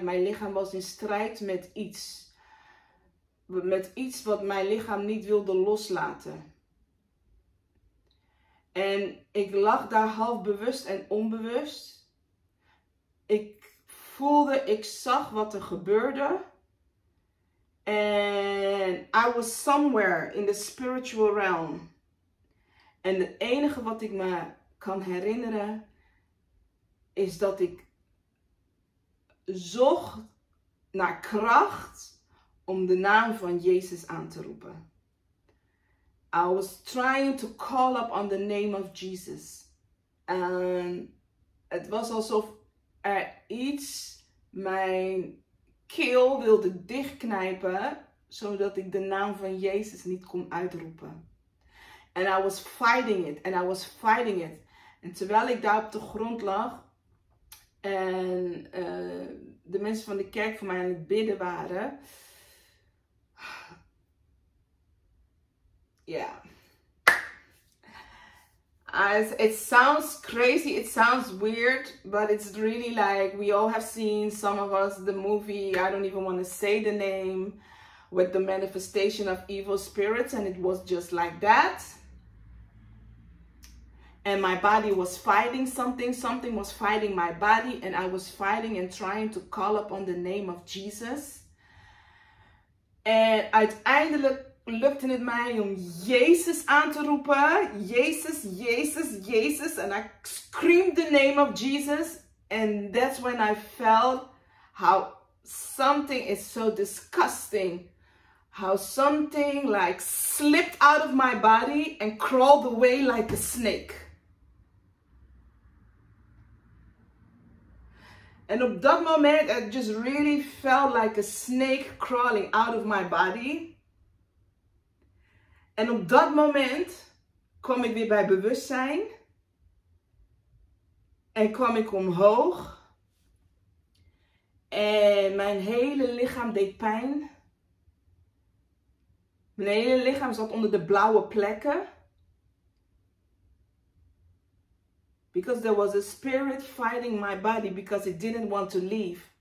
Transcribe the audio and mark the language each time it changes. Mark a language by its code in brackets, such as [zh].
[nl] Mijn lichaam was in strijd met iets. Met iets wat mijn lichaam niet wilde loslaten. En ik lag daar half bewust en onbewust. Ik voelde, ik zag wat er gebeurde. [en] En I was somewhere in the spiritual realm. [nl] En het enige wat ik me kan herinneren is dat ik zocht naar kracht om de naam van Jezus aan te roepen. [en] I was trying to call up on the name of Jesus. [nl] En het was alsof er iets mijn keel wilde dichtknijpen, zodat ik de naam van Jezus niet kon uitroepen. [en] And I was fighting it, and I was fighting it. [nl] En terwijl ik daar op de grond lag, en de mensen van de kerk voor mij aan het bidden waren. Ja. [en] Yeah. It sounds crazy, it sounds weird, but it's really like, we all have seen, some of us, the movie, I don't even want to say the name, with the manifestation of evil spirits, and it was just like that. And my body was fighting something. Something was fighting my body. And I was fighting and trying to call upon the name of Jesus. [nl] En uiteindelijk lukte het mij om Jezus aan te roepen. [en] Jezus, Jezus, Jezus. And I screamed the name of Jesus. And that's when I felt how something is so disgusting. How something like slipped out of my body and crawled away like a snake. [nl] En op dat moment, [en] it just really felt like a snake crawling out of my body. [nl] En op dat moment kwam ik weer bij bewustzijn. En kwam ik omhoog. En mijn hele lichaam deed pijn. Mijn hele lichaam zat onder de blauwe plekken. [en] Because there was a spirit fighting my body because it didn't want to leave.